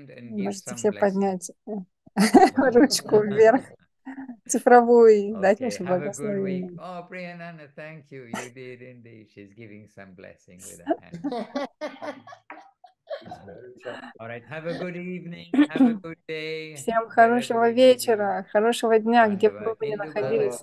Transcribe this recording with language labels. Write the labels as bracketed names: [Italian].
[Russian] Можете все поднять ручку вверх. Цифровую, дать мне благословение. [English] О, Приянана, thank you. You did indeed. She's giving some blessing with her hand. All right, have a good evening, [Russian] Всем хорошего вечера, хорошего дня, где бы вы ни находились.